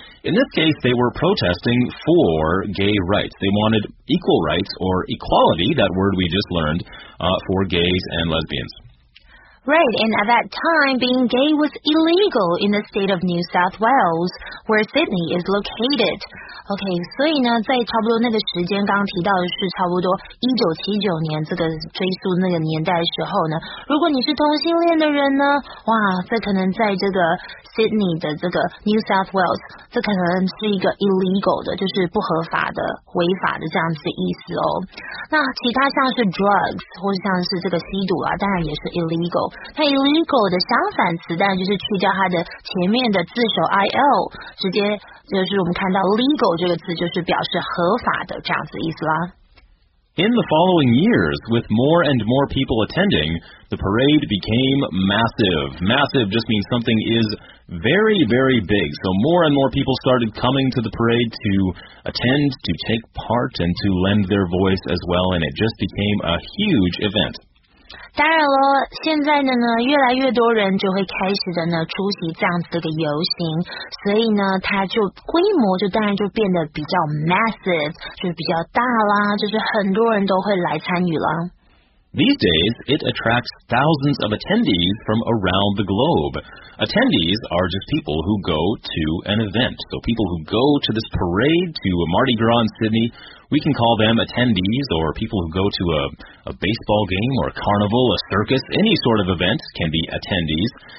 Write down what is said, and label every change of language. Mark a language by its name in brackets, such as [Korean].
[English] In this case, they were protesting for gay rights. They wanted equal rights or equality, that word we just learned, for gays and lesbians. Right, and at that time, being gay was illegal in the state of New South Wales, where Sydney is located. [Chinese] OK， 所以呢，在差不多那个时间，刚刚提到的是差不多1979年这个追溯那个年代的时候呢，如果你是同性恋的人呢，哇，这可能在这个 Sydney 的这个 New South Wales， 这可能是一个 illegal 的，就是不合法的、违法的这样子的意思哦。那其他像是 drugs 或是像是这个吸毒啊，当然也是 illegal。那 illegal 的相反词，当然就是去掉它的前面的字首 il， 直接就是我们看到 legal 这个字，就是表示合法的这样子的意思啦。 [English] In the following years, with more and more people attending, the parade became massive. Massive just means something is very, very big. So more and more people started coming to the parade to attend, to take part, and to lend their voice as well, and it just became a huge event. [Chinese] 当然了，现在的呢，越来越多人就会开始的呢出席这样子的游行，所以呢，它就规模就当然就变得比较 massive， 就比较大啦，就是很多人都会来参与啦。 [English] These days, it attracts thousands of attendees from around the globe. Attendees are just people who go to an event. So people who go to this parade to a Mardi Gras in Sydney, we can call them attendees, or people who go to a baseball game or a carnival, a circus, any sort of event can be attendees.